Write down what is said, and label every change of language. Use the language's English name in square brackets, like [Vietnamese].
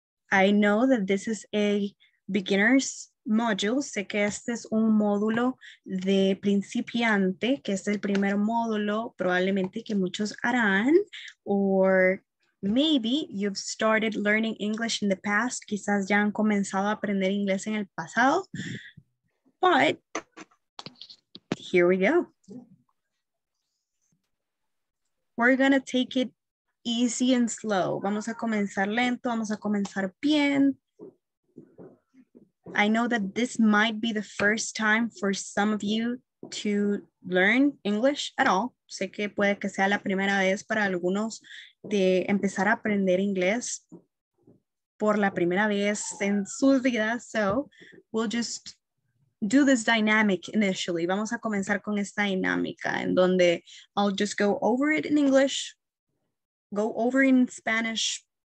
[English] I know that this is a beginner's module. [Spanish] Sé que este es un módulo de principiante, que es el primer módulo probablemente que muchos harán. [English] Or maybe you've started learning English in the past. [Spanish] Quizás ya han comenzado a aprender inglés en el pasado. [English] But here we go. We're gonna take it easy and slow. [Spanish] Vamos a comenzar lento, vamos a comenzar bien. [English] I know that this might be the first time for some of you to learn English at all. [Spanish] Sé que puede que sea la primera vez para algunos de empezar a aprender inglés por la primera vez en sus vidas. [English] So we'll just do this dynamic initially. [Spanish] Vamos a comenzar con esta dinámica en donde [English] I'll just go over it in English, go over in Spanish.